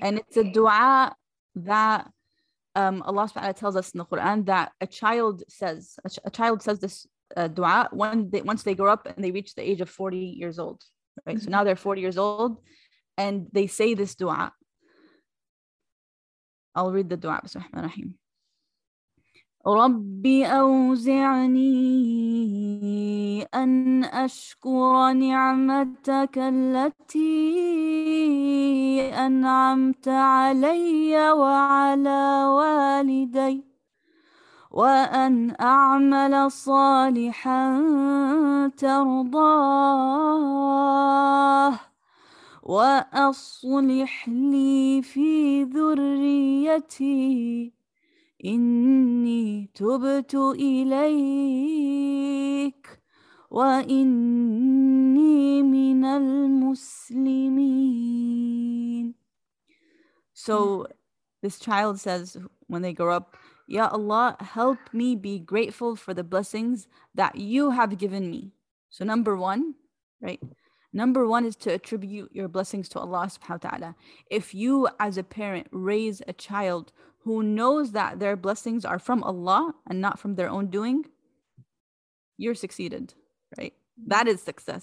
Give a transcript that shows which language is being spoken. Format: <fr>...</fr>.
<en>And it's a dua that Allah subhanahu wa ta'ala tells us in the Quran that a child says this dua once they grow up and they reach the age of 40 years old, right? Mm-hmm. So now they're 40 years old and they say this dua. I'll read the dua, bismillah ar-Rahim.</en> <ar>رَبِّ أَوْزِعْنِي أَنْ أَشْكُرَ نِعْمَتَكَ الَّتِي أَنْعَمْتَ عَلَيَّ وَعَلَى وَالِدَيْ وَأَنْ أَعْمَلَ صَالِحًا تَرْضَاهُ وَأَصْلِحْ لِي فِي ذُرِّيَّتِي إني تبت إليك وإني من المسلمين.</ar> <en>So this child says when they grow up, Ya Allah, help me be grateful for the blessings that you have given me. So number one, right? Number one is to attribute your blessings to Allah subhanahu wa ta'ala. If you as a parent raise a child who knows that their blessings are from Allah and not from their own doing, you're succeeded, right? That is success.</en>